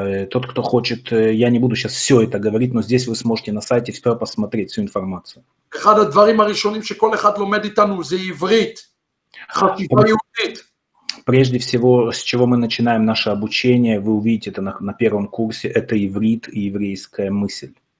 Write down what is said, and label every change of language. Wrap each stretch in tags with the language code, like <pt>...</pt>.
<ru>Тот, кто хочет, я не буду сейчас все это говорить, но здесь вы сможете на сайте все посмотреть, всю информацию.</ru> <he>אחד הדברים הראשונים שכל אחד לומד איתנו זה עברית, חשיבה יהודית.</he> <ru>Прежде всего, с чего мы начинаем наше обучение, вы увидите это на 1-м курсе, это иврит и еврейская мысль.</ru>